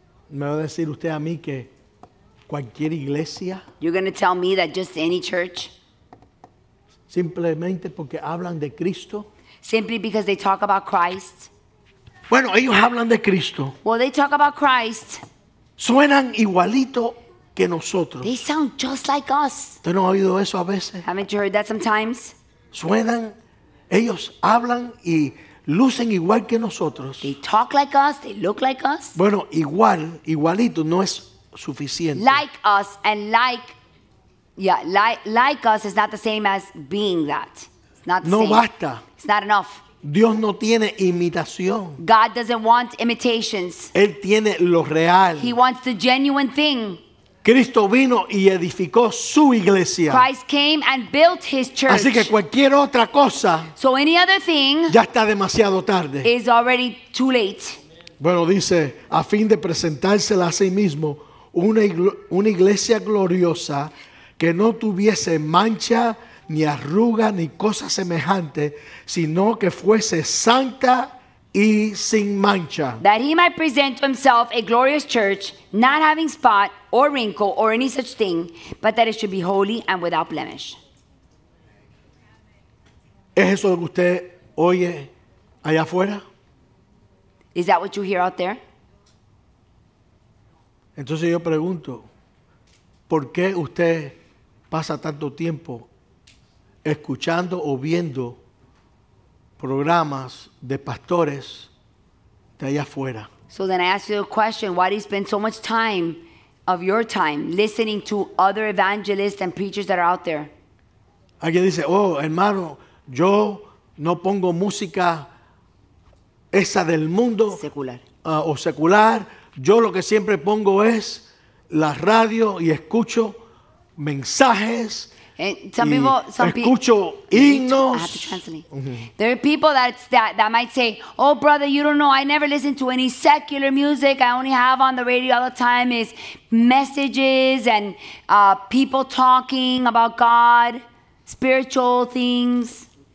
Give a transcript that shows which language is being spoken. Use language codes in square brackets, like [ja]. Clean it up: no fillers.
[es] Me va a decir usted a mí que cualquier iglesia. [en] You're going to tell me that just any church. [es] Simplemente porque hablan de Cristo. [en] Simply because they talk about Christ. [es] Bueno, ellos hablan de Cristo. [en] Well, they talk about Christ. [es] Suenan igualito que nosotros. [en] They sound just like us. [es] ¿Tú no has oído eso a veces? [en] Haven't you heard that sometimes? [es] Suenan, ellos hablan y lucen igual que nosotros. [en] They talk like us, they look like us. [es] Bueno, igual, igualito no es suficiente. [en] Like us and like. Yeah, like us is not the same as being that. It's not the [es] no [en] same. [es] Basta. [en] It's not enough. [es] Dios no tiene imitación. [en] God doesn't want imitations. [es] Él tiene lo real. [en] He wants the genuine thing. [es] Cristo vino y edificó su iglesia. [en] Christ came and built his church. [es] Así que cualquier otra cosa, [en] so any other thing, [es] ya está demasiado tarde. [en] Is already too late. [es] Bueno, dice, a fin de presentársela a sí mismo una iglesia gloriosa. Que no tuviese mancha, ni arruga, ni cosa semejante, sino que fuese santa y sin mancha. [en] That he might present to himself a glorious church, not having spot or wrinkle or any such thing, but that it should be holy and without blemish. [es] ¿Es eso lo que usted oye allá afuera? [en] Is that what you hear out there? [es] Entonces yo pregunto, ¿por qué usted pasa tanto tiempo escuchando o viendo programas de pastores de allá afuera? [en] So then I ask you a question. Why do you spend so much time of your time listening to other evangelists and preachers that are out there? [es] Alguien dice, oh, hermano, yo no pongo música esa del mundo. [en] Secular. [es] O secular. Yo lo que siempre pongo es la radio y escucho mensajes. [en] And some people, some [es] escucho himnos. [en] I have to translate. Mm-hmm. There are people that might say, oh brother, you don't know, I never listen to any secular music. I only have on the radio all the time is messages and people talking about God, spiritual things.